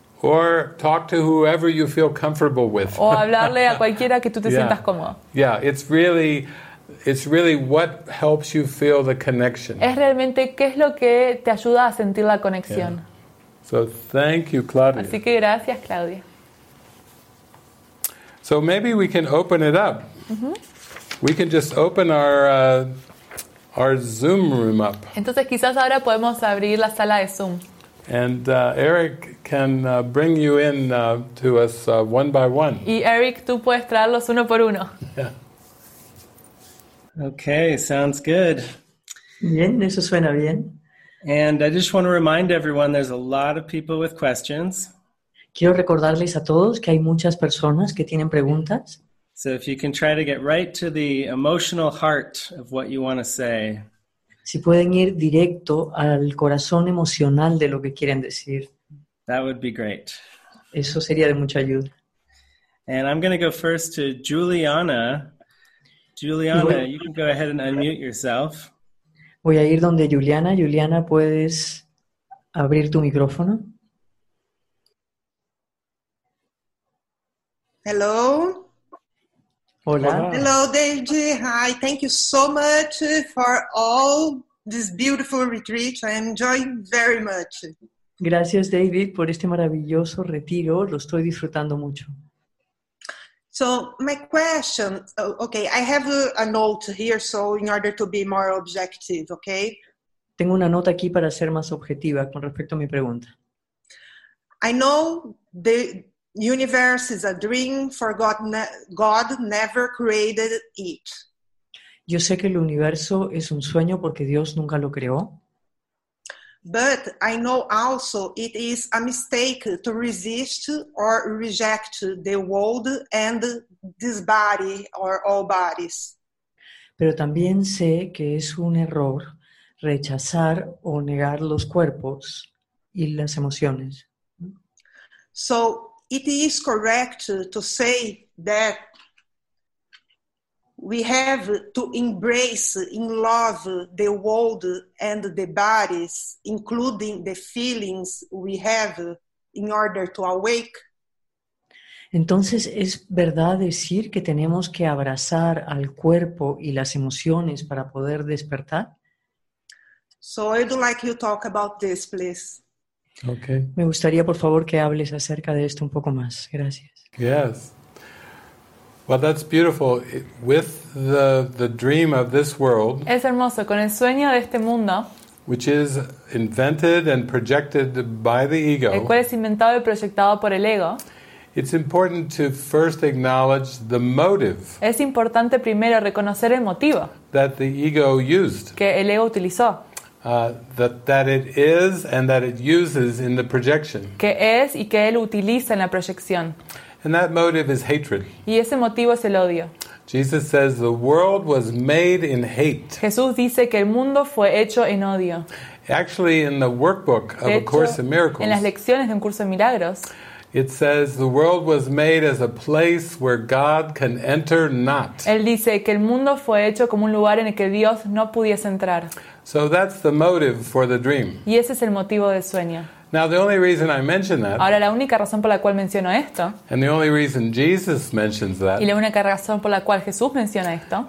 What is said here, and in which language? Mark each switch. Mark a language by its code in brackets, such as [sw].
[en] Or talk to whoever you feel comfortable with. [es] O hablarle a cualquiera que tú te sientas cómodo. [en] Yeah, it's really what helps you feel the connection. [es] Es realmente qué es lo que te ayuda a sentir la conexión. [en] Yeah. So thank you, Claudia. [es] Así que gracias, Claudia. [en] So maybe we can open it up. Mm-hmm. We can just open our Zoom room up. [es] Entonces quizás ahora podemos abrir la sala de Zoom. [en] And Eric can bring you in to us one by one. [es] Y Eric, tú puedes traerlos uno por uno. [en] Yeah. Okay, sounds good. [es] Bien, eso suena bien. [en] And I just want to remind everyone there's a lot of people with questions. [es] Quiero recordarles a todos que hay muchas personas que tienen preguntas. [en] So if you can try to get right to the emotional heart of what you want to say. [es] Si pueden ir directo al corazón emocional de lo que quieren decir. [en] That would be great. [es] Eso sería de mucha ayuda. [en] And I'm going to go first to Juliana. Juliana, you can go ahead and unmute yourself. [es] Voy a ir donde Juliana. Juliana, ¿puedes abrir tu micrófono? [en] Hello. [es] Hola. [en] Hello, David. Hi. Thank you so much for all this beautiful retreat. I enjoy very much. [es] Gracias, David, por este maravilloso retiro. Lo estoy disfrutando mucho. [en] So my question, okay, I have a note here, so in order to be more objective, okay? [es] Tengo una nota aquí para ser más objetiva con respecto a mi pregunta. [en] I know the universe is a dream, for God never created it. [es] Yo sé que el universo es un sueño porque Dios nunca lo creó. [en] But I know also it is a mistake to resist or reject the world and this body or all bodies. [es] Pero también sé que es un error rechazar o negar los cuerpos y las emociones. [en] So it is correct to say that we have to embrace in love the world and the bodies, including the feelings we have, in order to awake. [es] Entonces, ¿es verdad decir que tenemos que abrazar al cuerpo y las emociones para poder despertar? [en] So I'd like you to talk about this, please. Okay. [es] Me gustaría, por favor, que hables acerca de esto un poco más. Gracias. [en] Yes. Well, that's beautiful. With the dream of this world, [es] es hermoso, con el sueño de este mundo, [en] which is invented and projected by the ego, [es] el cual es inventado y proyectado por el ego, [en] it's important to first acknowledge the motive, [es] es importante primero reconocer el motivo, [en] that the ego used, [es] que el ego utilizó, [en] that it is and that it uses in the projection, [es] que es y que él utiliza en la proyección. [en] And that motive is hatred. [es] Y ese motivo es el odio. [en] Jesus says the world was made in hate. [es] Jesús dice que el mundo fue hecho en odio. [en] Actually, in the workbook of [es] hecho, [en] A Course in Miracles, [es] en las lecciones de Un Curso de Milagros, [en] it says the world was made as a place where God can enter not. [es] Él dice que el mundo fue hecho como un lugar en el que Dios no pudiese entrar. [en] So that's the motive for the dream. [es] Y ese es el motivo del sueño. [en] Now the only reason I mention that. [es] Ahora la única razón por la cual menciono esto. [en] And the only reason Jesus mentions that. [es] Y la única razón por la cual Jesús menciona esto.